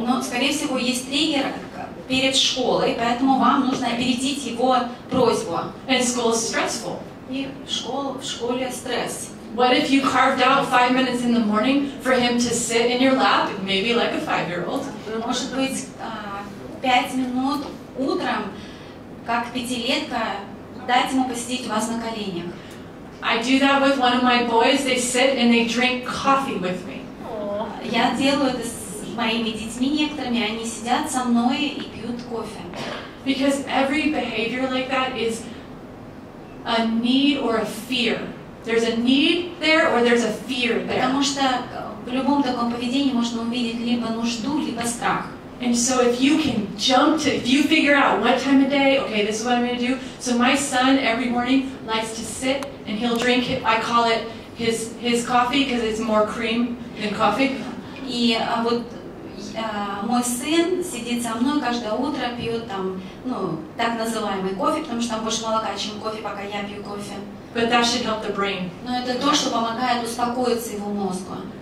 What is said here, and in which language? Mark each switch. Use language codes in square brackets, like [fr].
[ru] Но, скорее всего, есть триггер перед школой, поэтому вам нужно опередить его просьбу. [en] And school is stressful. [ru] И в школе стресс. [en] What if you carved out 5 minutes in the morning for him to sit in your lap, maybe like a 5-year-old? [ru] Может быть, 5 минут утром, как пятилетка, дать ему посидеть у вас на коленях. [en] I do that with one of my boys. They sit and they drink coffee with me. [ru] Я делаю это с моими детьми некоторыми. Они сидят со мной и пьют кофе. [en] Because every behavior like that is a need or a fear. There's a need there or there's a fear there. [ru] Потому что в любом таком поведении можно увидеть либо нужду, либо страх. [en] And so if you can jump to, if you figure out what time of day, okay, this is what I'm going to do. So my son every morning likes to sit and he'll drink it. I call it his coffee because it's more cream than coffee. [ru] И вот мой сын сидит со мной каждое утро, пьет там, ну, так называемый кофе, потому что там больше молока, чем кофе, пока я пью кофе. [en] But that should help the brain. [ru] Но это то, что помогает успокоиться его мозгу.